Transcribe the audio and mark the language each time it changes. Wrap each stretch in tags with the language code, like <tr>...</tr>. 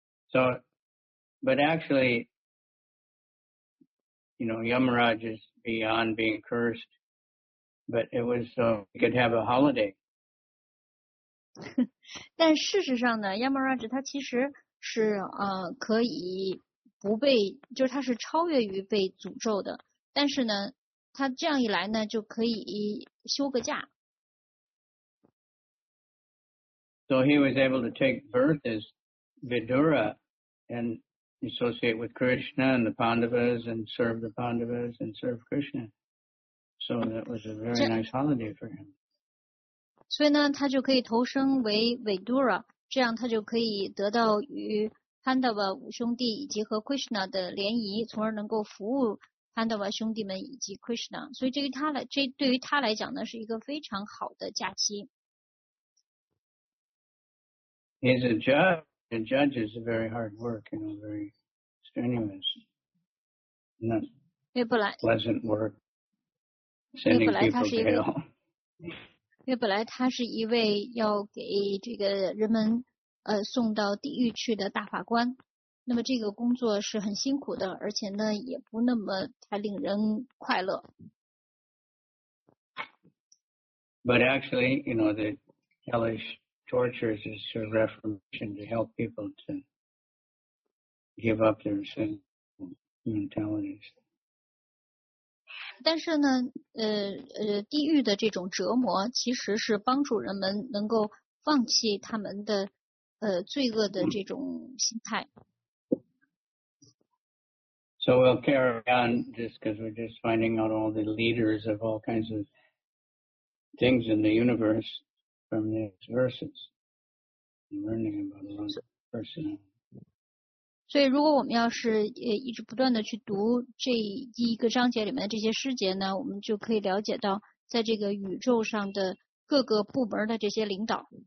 <en>So, but actually, you know, Yamaraj is beyond being cursed, but it was so he could have a holiday.</en> <zh>但事实上呢 ,Yamaraj 他其实是可以不被，就是他是超越于被诅咒的，但是呢他这样一来呢就可以休个假。</zh> <en>So he was able to take birth as Vidura. and associate with Krishna and the Pandavas and serve the Pandavas and serve Krishna. So that was a very nice holiday for him.</en> <zh>所以呢，他就可以投身为 Vidura， 这样他就可以得到与 Pandava 五兄弟以及和 Krishna 的联谊，从而能够服务 Pandava 兄弟们以及 Krishna。所以这对他来，这对于他来讲呢，是一个非常好的假期。</zh> <en>He's a judge. A judge is a very hard work, you know, very strenuous, not pleasant work. Sending people to hell. Because originally, he was one who was sent to the lower level to the high level. So this work is very difficult, and it is not so happy. But actually, you know, the hellish. Tortures is a reformation to help people to give up their sinful mentalities.</en> <zh>但是呢，地狱的这种折磨其实是帮助人们能够放弃他们的罪恶的这种心态。</zh> <en>So we'll carry on just because we're just finding out all the leaders of all kinds of things in the universe. From these verses, and learning about the person.</en> <zh>所以，如果我们要是一直不断的去读这一个章节里面的这些师节呢，我们就可以了解到，在这个宇宙上的各个部门的这些领导。</zh>